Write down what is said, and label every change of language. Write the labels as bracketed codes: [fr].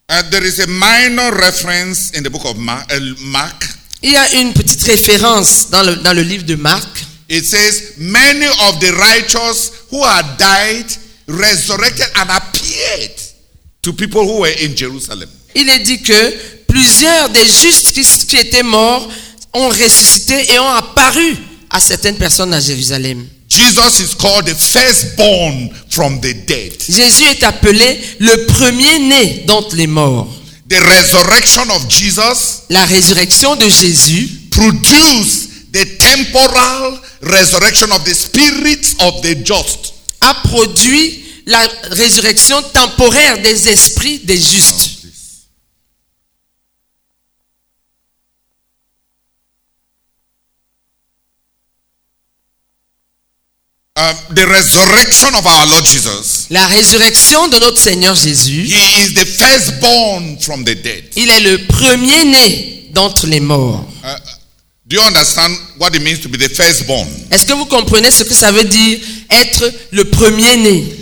[en] there is a minor reference in the book of Mark. [fr] Il y a une petite référence dans le livre de Marc. [en] It says many of the righteous who had died resurrected and appeared to people who were in Jerusalem. [fr] Il est dit que plusieurs des justes qui étaient morts ont ressuscité et ont apparu à certaines personnes à Jérusalem. [en] Jesus is called the firstborn from the dead. [fr] Jésus est appelé le premier né d'entre les morts. [en] The resurrection of Jesus, [fr] la résurrection de Jésus, [en] produces the temporal resurrection of the spirits of the just. [fr] A produit la résurrection temporaire des esprits des justes. [en] The resurrection of our Lord Jesus. [fr] La résurrection de notre Seigneur Jésus. [en] He is the firstborn from the dead. [fr] Il est le premier né d'entre les morts. [en] Do you understand what it means to be the firstborn? [fr] Est-ce que vous comprenez ce que ça veut dire être le premier né?